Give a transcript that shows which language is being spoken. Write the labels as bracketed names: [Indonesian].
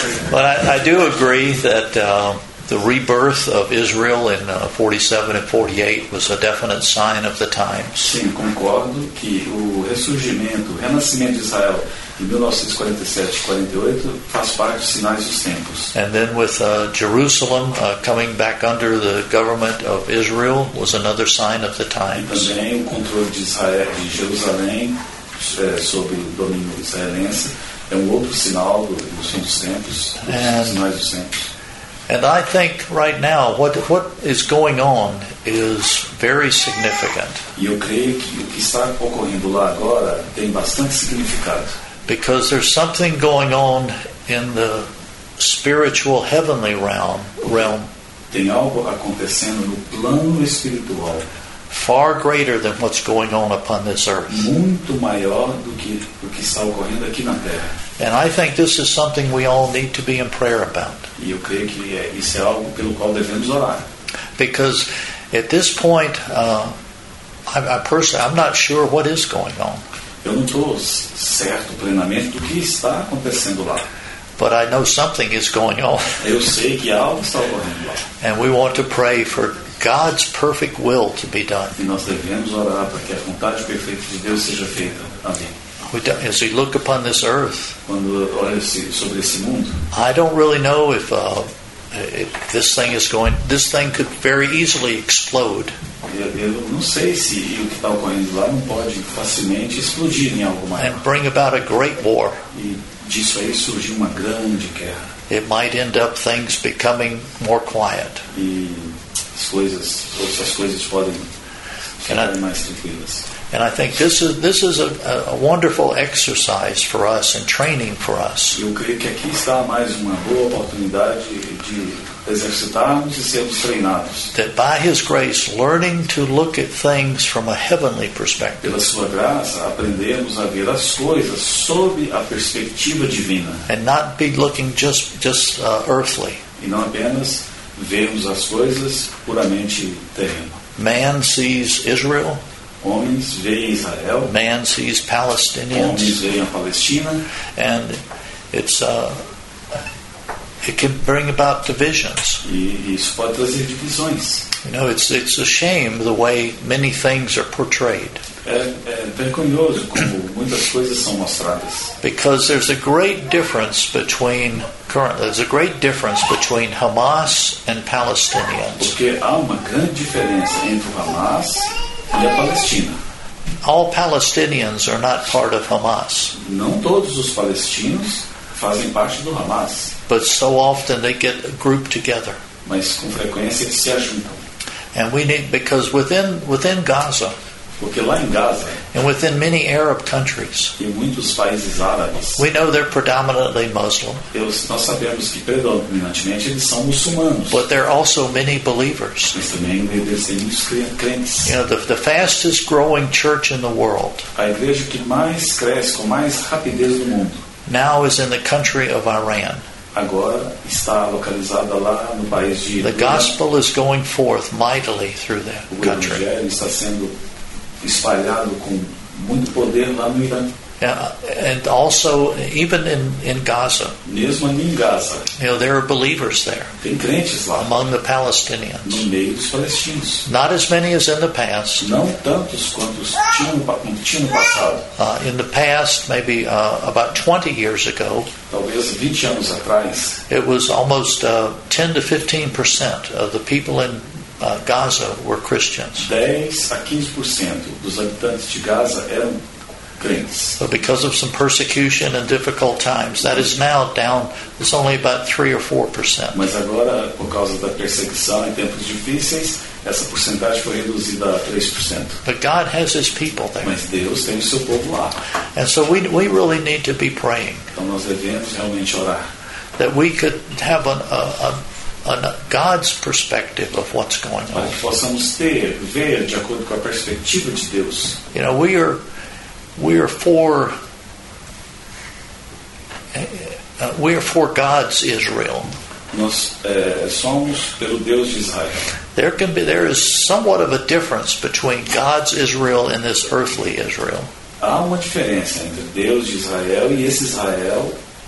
[English] But I do agree that the rebirth of Israel in 47 and 48 was a definite sign of the times. [Portuguese] Sim, concordo que o ressurgimento, o renascimento de Israel em 1947 e 48 faz parte dos sinais dos tempos. [English] And then with Jerusalem coming back under the government of Israel was another sign of the times. [Portuguese] E também o controle de Israel de Jerusalém sob o domínio israelense é um outro sinal dos tempos, dos sinais dos tempos. [English] And I think right now what is going on is very significant. [Portuguese] E eu creio que o que está ocorrendo lá agora tem bastante significado. [English] Because there's something going on in the spiritual heavenly realm. [Portuguese] Tem algo acontecendo no plano espiritual. [English] Far greater than what's going on upon this earth. [Portuguese] Muito maior do que o que está ocorrendo aqui na Terra. [English] And I think this is something we all need to be in prayer about. [Portuguese] E eu creio que isso é algo pelo qual devemos orar. [English] Because at this point, I'm not sure what is going on. [Portuguese] Eu não estou certo plenamente do que está acontecendo lá. [English] But I know something is going on. [Portuguese] Eu sei que algo está ocorrendo lá. [English] And we want to pray for God's perfect will to be done. [Portuguese] E nós devemos orar para que a vontade perfeita de Deus seja feita. Amém. [English] As we look upon this earth, [Portuguese] quando olha-se sobre esse mundo, [English] I don't really know if this thing is going. This thing could very easily explode. [Portuguese] Eu não sei se o que está ocorrendo lá não pode facilmente explodir em algo maior. [English] And bring about a great war. [Portuguese] E disso aí surge uma grande guerra. [English] It might end up things becoming more quiet. [Portuguese] E as coisas podem ficar mais tranquilas. [English] And I think this is a wonderful exercise for us and training for us. [Portuguese] Eu creio que aqui está mais uma boa oportunidade de exercitarmos e sermos treinados. [English] That by His grace, learning to look at things from a heavenly perspective. [Portuguese] Pela Sua graça, aprendemos a ver as coisas sob a perspectiva divina. [English] And not be looking just earthly. [Portuguese] E não apenas vemos as coisas puramente terreno. [English] Man sees Israel. [Portuguese] Homens veem Israel. [English] Man sees Palestinians. [Portuguese] Homens veem a Palestina. [English] And it's it can bring about divisions. [Portuguese] E isso pode trazer divisões. [English] You know, it's a shame the way many things are portrayed. [Portuguese] É vergonhoso como muitas coisas são mostradas. [English] Because there's a great difference between Hamas and Palestinians. [Portuguese] Porque há uma grande diferença entre o Hamas e a Palestina. [English] All Palestinians are not part of Hamas. [Portuguese] Não todos os palestinos fazem parte do Hamas. [English] But so often they get grouped together. [Portuguese] Mas com frequência eles se ajuntam. [English] And we need, because within Gaza, [Portuguese] porque lá em Gaza, [English] and within many Arab countries, [Portuguese] e muitos países árabes, [English] we know they're predominantly Muslim. [Portuguese] Nós sabemos que predominantemente eles são muçulmanos. [English] But there are also many believers. [Portuguese] Mas também eles têm muitos crentes. [English] You know, the fastest growing church in the world. [Portuguese] A igreja que mais cresce com mais rapidez do mundo. [English] Now is in the country of Iran. [Portuguese] Agora está localizada lá no país de Irã. [English] The gospel is going forth mightily through that country. [Portuguese] O evangelho está sendo espalhado com muito poder lá no Irã. [English] And also even in Gaza. [Portuguese] Mesmo ali em Gaza. [English] You know, there are believers there. [Portuguese] Tem crentes lá. [English] Among the Palestinians. [Portuguese] No meio dos palestinos. [English] Not as many as in the past. [Portuguese] Não tantos quantos tinham no passado. [English] In the past, maybe about 20 years ago. [Portuguese] Talvez 20 anos atrás. [English] It was almost 10-15% of the people in Gaza were Christians. [Portuguese] 10-15% dos habitantes de Gaza eram crentes. [English] But because of some persecution and difficult times, that is now down. It's only about 3-4%. [Portuguese] Mas agora, por causa da perseguição e tempos difíceis, essa porcentagem foi reduzida a 3%. [English] But God has His people there. [Portuguese] Mas Deus tem o seu povo lá. [English] And so we really need to be praying. [Portuguese] Então nós devemos realmente orar. [English] That we could have a God's perspective of what's going on. [Portuguese] Para que possamos ver de acordo com a perspectiva de Deus. [English] You know, we are for God's Israel. [Portuguese] Nós somos pelo Deus de Israel. [English] There is somewhat of a difference between God's Israel and this earthly Israel. [Portuguese] Há uma diferença entre Deus de Israel e esse Israel.